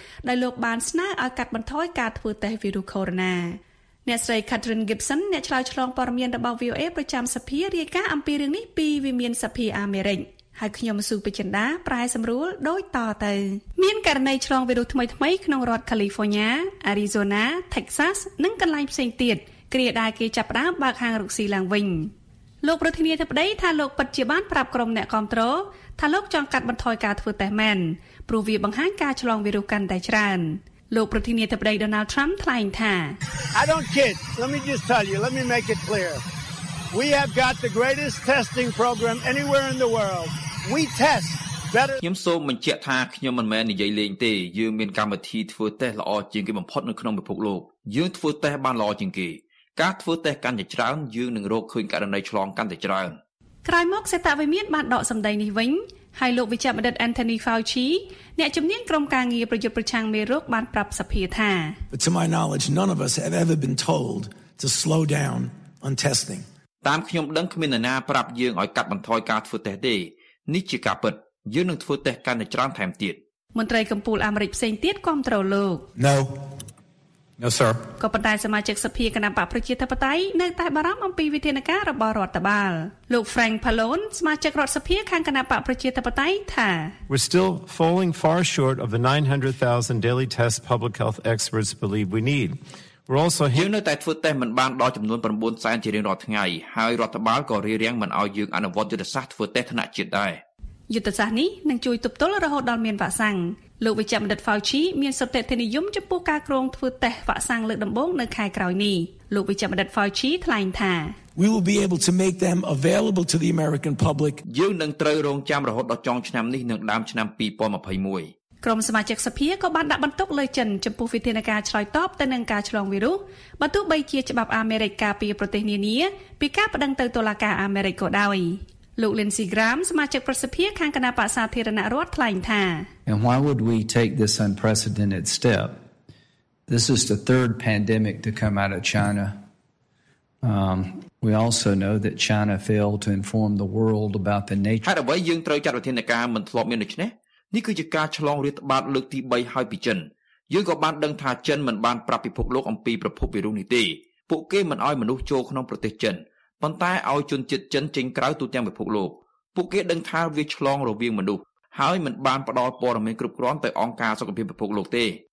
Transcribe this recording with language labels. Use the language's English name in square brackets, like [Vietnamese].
[Khmer] ដែលលោកបានស្នើឲ្យកាត់បន្ថយការធ្វើតេស្តវីរុសកូវីដ-19អ្នកស្រី Catherine Gibson អ្នកឆ្លើយឆ្លងព័ត៌មានរបស់ VOA ប្រចាំសភារាយការណ៍អំពីរឿងនេះពីវិមានសភាអាមេរិកហើយខ្ញុំស៊ូបេចិនដាប្រែសម្រួលដូចតទៅមានករណីឆ្លងវីរុសថ្មីថ្មីក្នុងរដ្ឋ California, Arizona, Texas និងកន្លែងផ្សេងទៀតគ្រាដែលគេចាប់ផ្ដើមបើកហាងរកស៊ីឡើងវិញ លោកប្រធានាធិបតីថាលោកពិតជាបានប្រាប់ក្រុមអ្នកគាំទ្រថាលោកចង់កាត់បន្ថយការធ្វើតេស្តមែនព្រោះវាបង្ហាញការឆ្លងវីរុសកាន់តែច្រើនលោកប្រធានាធិបតី Donald Trump ថ្លែងថា [English] I don't kid. Let me just tell you. Let me make it clear. We have got the greatest testing program anywhere in the world. We test better [Khmer] ខ្ញុំសូមបញ្ជាក់ថាខ្ញុំមិនមែននិយាយលេងទេយើងមានកម្មវិធីធ្វើតេស្តល្អជាងគេបំផុតនៅក្នុងពិភពលោកយើងធ្វើតេស្តបានល្អជាងគេការធ្វើតេស្តកាន់តែច្រើនយើងនឹងរកឃើញករណីឆ្លងកាន់តែច្រើន ក្រោយមកសេតវិមានបានដកសម្ដីនេះវិញហើយលោកវិជ្ជបណ្ឌិត Anthony Fauci អ្នកជំនាញក្រុមការងារប្រយុទ្ធប្រឆាំងមេរោគបានប្រាប់សភាថា [English] To my knowledge none of us have ever been told to slow down on testing [Khmer] តាមខ្ញុំដឹងគ្មាននរណាប្រាប់យើងឲ្យកាត់បន្ថយការធ្វើតេស្តទេនេះជាការពិតយើងនឹងធ្វើតេស្តកាន់តែច្រើនថែមទៀត មន្ត្រីកម្ពុជាអាមេរិកផ្សេងទៀតគាំទ្រលោក [English] No sir [Khmer] ក៏ប៉ុន្តែសមាជិកសភាគណៈបកប្រជាធិបតេយ្យនៅតែបារម្ភអំពីវិធានការរបស់រដ្ឋបាលលោក Frank Pallone សមាជិករដ្ឋសភាខាងគណៈបកប្រជាធិបតេយ្យថា [English] We're still falling far short of the 900,000 daily tests public health experts believe we need We're also here [Khmer] នៅតែធ្វើតេស្តមិនបានដល់ចំនួន900,000ជារៀងរាល់ថ្ងៃហើយរដ្ឋបាលក៏រៀបរៀងមិនឲ្យយើងអនុវត្តយុទ្ធសាស្ត្រធ្វើតេស្តថ្នាក់ជាតិដែរ យុទ្ធសាស្ត្រនេះនឹងជួយទប់ទល់រហូតដល់មានវ៉ាក់សាំងលោកវិជ្ជបណ្ឌិត Fauci មានសតិធិនិយមចំពោះការគ្រងធ្វើតេស្តវ៉ាក់សាំងលើកដំបូងនៅខែក្រោយនេះលោកវិជ្ជបណ្ឌិត Fauci ថ្លែងថា [English] We will be able to make them available to the American public [Khmer] យើងនឹងត្រូវរងចាំរហូតដល់ចុងឆ្នាំនេះនិងដើមឆ្នាំ2021 ក្រុមសមាជិកសភាក៏បានដាក់បន្ទុកលើចិនចំពោះវិធានការឆ្លើយតបទៅនឹងការឆ្លងវីរុសបើទោះបីជាច្បាប់អាមេរិកការពារប្រទេសនានាពីការប្តឹងទៅតុលាការអាមេរិកក៏ដោយលោក Lindsey Graham សមាជិកប្រសិទ្ធិខាងគណៈបក្សសាធារណរដ្ឋថ្លែងថា [English] And why would we take this unprecedented step? This is the third pandemic to come out of China. We also know that China failed to inform the world about the nature [Khmer] ហើយបើយើងត្រូវចាត់វិធានការមិនធ្លាប់មានដូចនេះនេះគឺជាការឆ្លងរាតត្បាតលើកទី3ហើយពីចិនយើងក៏បានដឹងថាចិនមិនបានប្រាប់ពិភពលោកអំពីប្រភពវីរុសនេះទេពួកគេមិនអោយមនុស្សចូលក្នុងប្រទេសចិនប៉ុន្តែអោយជនជាតិចិនចេញក្រៅទូទាំងពិភពលោកពួកគេដឹងថាវាឆ្លងរវាងមនុស្សហើយមិនបានផ្ដល់ព័ត៌មានគ្រប់គ្រាន់ទៅអង្គការសុខភាពពិភពលោកទេ